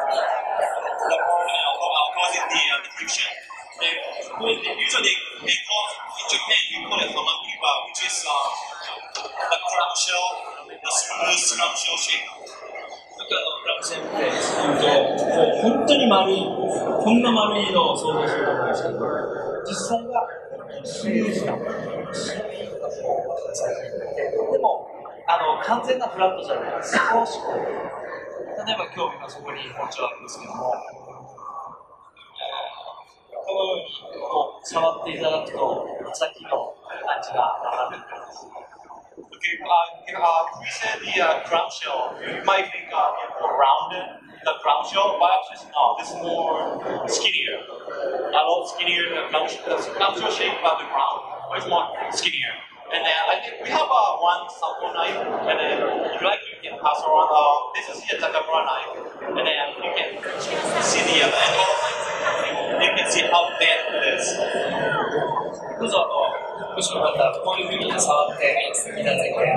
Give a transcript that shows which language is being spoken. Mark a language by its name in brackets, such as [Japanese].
[English] causing the friction. Usually, they call in Japan, we call it Hamakiba, which is a crab shell, a smooth crab shell shape. [Japanese] こう本当に丸い、こんな丸いのを想像するのが実際はスムーズな、でも完全なフラットじゃない、少しこう例えば今日今そこに包丁あるんですけども、このようにこう触っていただくと刃先の感じが上がるんです。 [English] You said the crab shell. You might think of it more rounded, the crab shell, but actually it's not. It's more skinnier. A lot skinnier than the crab shell shape, but the crab, but it's more skinnier. And then I think we have one sample knife, and then if you like, you can pass around. This is the Takamura knife, and then you can see the other end. You can see how bent it is. Who's up? [Japanese] もしよかったらこういう風に触っていただいて、